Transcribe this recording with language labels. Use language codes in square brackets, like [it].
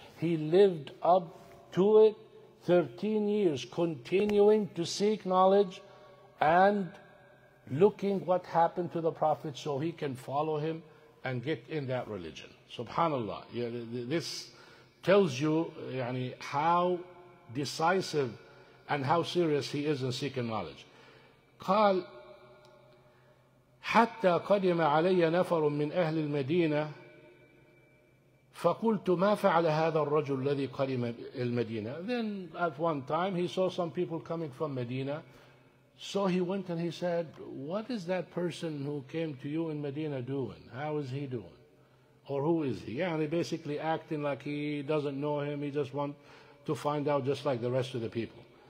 [en] He lived up to it 13 years, continuing to seek knowledge and looking what happened to the Prophet so he can follow him and get in that religion. SubhanAllah. This tells you how decisive and how serious he is in seeking knowledge. [ar] قال حتى قدم علي نفر من أهل المدينة فقلت ما فعل هذا الرجل الذي قدم المدينة. [en] Then at one time he saw some people coming from Medina, so he went and he said, what is that person who came to you in Medina doing? How is he doing? Or who is he? Yeah, and he basically acting like he doesn't know him. He just want to find out just like the rest of the people.